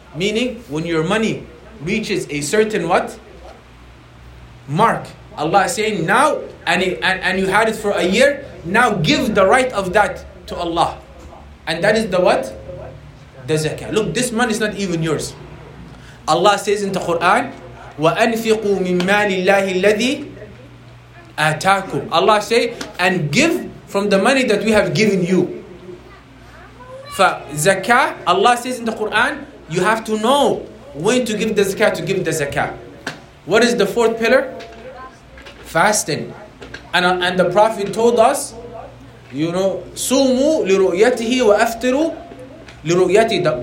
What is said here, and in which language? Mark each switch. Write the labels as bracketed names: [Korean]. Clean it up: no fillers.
[English] Meaning, when your money reaches a certain what? Mark. Allah is saying, now, and you had it for a year, now give the right of that to Allah. And that is the what? The zakah. Look, this money is not even yours. Allah says in the Quran, [Arabic] وَأَنْفِقُوا مِن مَالِ اللَّهِ الَّذِي آتَاكُمْ. [English] Allah say, and give from the money that we have given you. فَزَكَاه, Allah says in the Quran, you have to know when to give the zakah, to give the zakah. What is the fourth pillar? Fasting. And the Prophet told us, you know, [Arabic] سُومُوا لِرُؤْيَتِهِ وَأَفْتِرُوا لِرُؤْيَتِهِ.